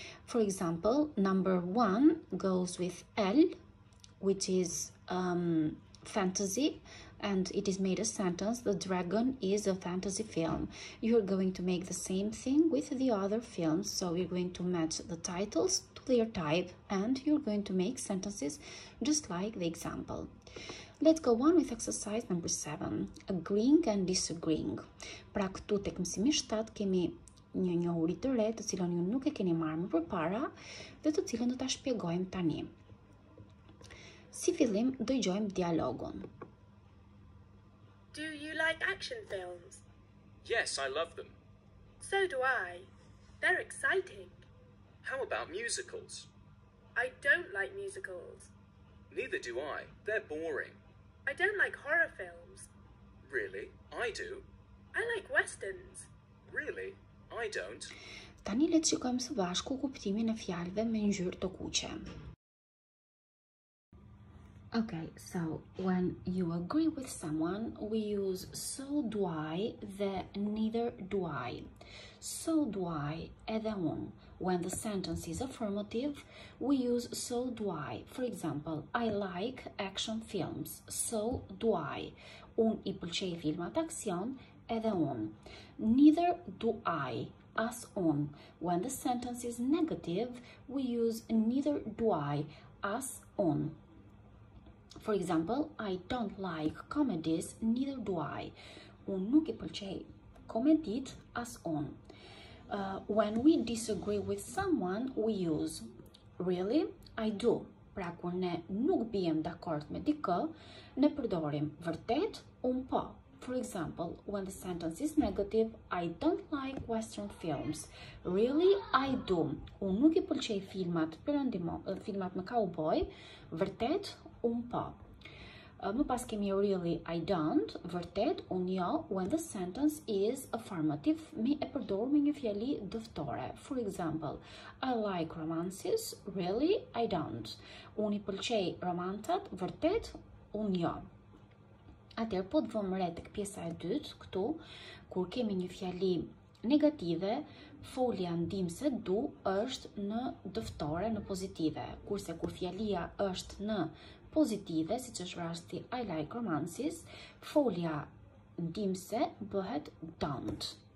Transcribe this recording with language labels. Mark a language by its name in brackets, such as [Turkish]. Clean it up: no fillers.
[English] For example, number one goes with L, which is fantasy, and it is made a sentence, the dragon is a fantasy film. You are going to make the same thing with the other films, so you're going to match the titles to their type and you're going to make sentences just like the example. Let's go on with exercise number 7, agreeing and disagreeing. [Albanian] Pra këtu tek mësimi 7 kemi një njohuri të re të cilën ju nuk e keni marrë më përpara dhe të cilën do ta shpjegojmë tani. Si fillim dëgjojmë dialogun. [English] Do you like action films? Yes, I love them. So do I. They're exciting. How about musicals? I don't like musicals. Neither do I. They're boring. I don't like horror films. Really? I do. I like westerns. Really? I don't. [Albanian] Tani le të shikojmë së bashku kuptimin e fjalëve me ngjyrë të kuqe. [English] Okay, so when you agree with someone, we use so do I dhe neither do I. So do I, [Albanian] edhe unë. [English] When the sentence is affirmative, we use so do I. For example, I like action films. So do I. [Albanian] Unë i pëlqej filmat aksion, edhe unë. [English] Neither do I, [Albanian] as unë. [English] When the sentence is negative, we use neither do I, [Albanian] as unë. [English] For example, I don't like comedies, neither do I. [Albanian] Unë nuk i pëlqej komedit, as unë. [English] When we disagree with someone, we use really, I do. [Albanian] Pra kur ne nuk bijem dakord me dikë, ne përdorim vërtet, un po. [English] For example, when the sentence is negative, I don't like Western films. Really, I do. [Albanian] Un nuk i pëlqej filmat filmat me cowboy, vërtet, un po. Më pas kemi [English] really, I don't, [Albanian] vërtet, unë jo, [English] when the sentence is affirmative, [Albanian] mi e përdor me një fjali dëftore. [English] For example, I like romances, really, I don't. [Albanian] Unë i pëlqej romantat, vërtet, unë jo. Atër, po të vëmë re tek pjesa e dytë, këtu, kur kemi një fjali negative, folja ndimse du është në dëftore, në pozitive. Kurse, kur fjalia është në pozitive, si që është rasti [English] I like romances, [Albanian] folja ndimse bëhet don't.